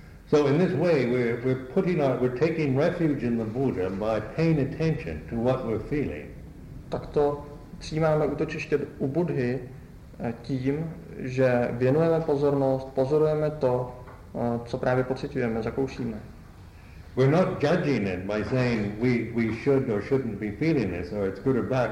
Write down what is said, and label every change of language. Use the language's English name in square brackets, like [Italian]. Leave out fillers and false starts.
[English] So in this way we're taking refuge in the Buddha by paying attention to what we're feeling. [Czech] Takto přijímáme útočiště u Buddhy tím, že věnujeme pozornost, pozorujeme to, co právě pociťujeme, zakoušíme. [English] We're not judging it by saying we should or shouldn't be feeling this or it's good or bad.